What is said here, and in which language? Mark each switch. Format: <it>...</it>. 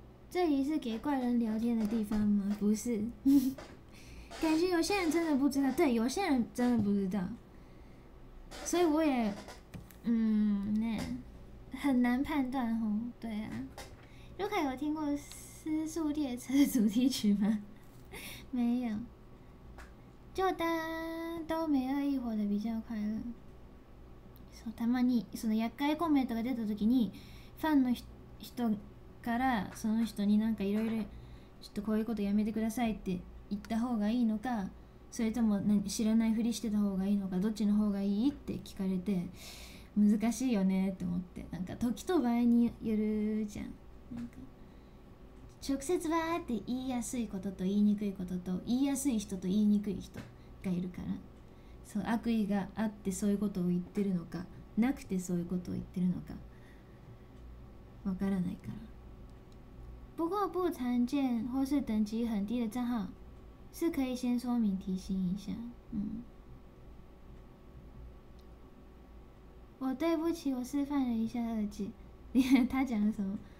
<zh>这里是给怪人聊天的地方吗？不是，感觉有些人真的不知道，对，有些人真的不知道，所以我也，嗯，那很难判断吼。对啊，如果有听过《失速列车》主题曲吗？没有，就当都没恶意活得比较快乐。</zh> <ja>そう、たまにその厄介コメントが出た時にファンの人からその人になんかいろいろちょっとこういうことやめてくださいって言った方がいいのか、それとも知らないふりしてた方がいいのか、どっちの方がいいって聞かれて難しいよねって思って、なんか時と場合によるじゃん。なんか直接わーって言いやすいことと言いにくいことと、言いやすい人と言いにくい人がいるから、そう、悪意があってそういうことを言ってるのか、なくてそういうことを言ってるのかわからないから。</ja> <zh>不过不常见或是等级很低的账号是可以先说明提醒一下。嗯，我对不起，我示范了一下二姐。你看他讲了什么？</zh>